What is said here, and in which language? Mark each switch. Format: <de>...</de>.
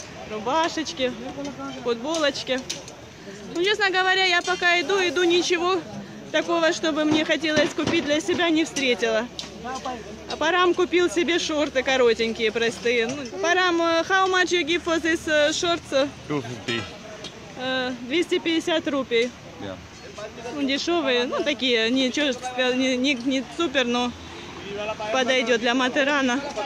<ru>Рубашечки, футболочки. Ну, честно говоря, я пока иду, ничего такого, чтобы мне хотелось купить для себя, не встретила. Парам купил себе шорты коротенькие, простые.</ru> <en>Парам, how much you give for this shorts?</en> <ru>250 рупий. Ну, дешевые, ну, такие, ничего, не супер, но подойдет для Матерана.</ru>